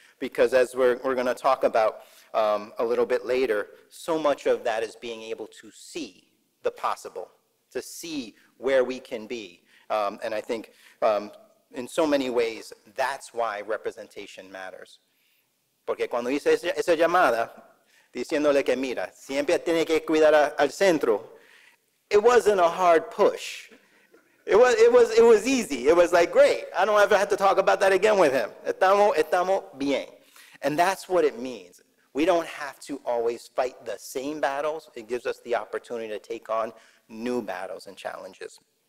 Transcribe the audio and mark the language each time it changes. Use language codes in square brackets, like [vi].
[en] Because as we're going to talk about a little bit later, so much of that is being able to see the possible, to see where we can be. And I think in so many ways, that's why representation matters. [es] Porque cuando hice esa llamada, diciéndole que mira, siempre tiene que cuidar al centro. [en] It wasn't a hard push. It was easy. It was like, great, I don't ever have to talk about that again with him. [es] Estamos bien. [en] And that's what it means. We don't have to always fight the same battles. It gives us the opportunity to take on new battles and challenges.